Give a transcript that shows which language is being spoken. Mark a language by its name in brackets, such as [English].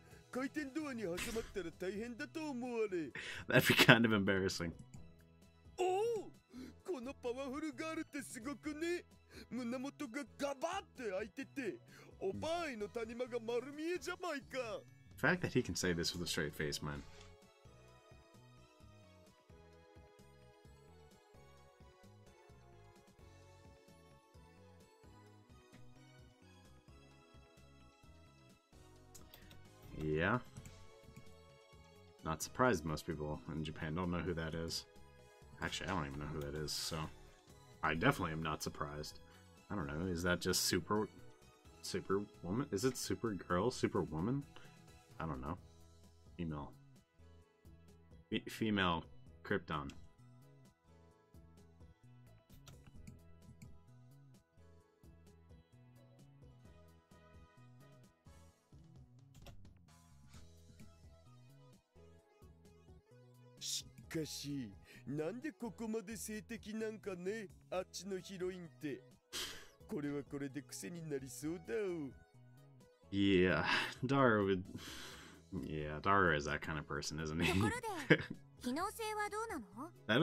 [Japanese] 回転ドアに挟まったら大変だと思われ。 [English] That'd be kind of embarrassing. Oh! [Japanese] このパワフルガールってすごくね。胸元がガバって開いてて、おばあいの谷間が丸見えじゃないか。 [English] The fact that he can say this with a straight face, man. Yeah. Not surprised most people in Japan don't know who that is. Actually, I don't even know who that is, so I definitely am not surprised. I don't know, is that just Superwoman? Is it Supergirl? Superwoman? I don't know. Female Krypton. [Japanese] しかし、なんでここまで性的なんかね、あっちのヒロインって。これはこれで癖になりそうだよ。 [English] Yeah, Daru would... Yeah, Daru is that kind of person, isn't he? [Japanese] ところで、機能性はどうなの?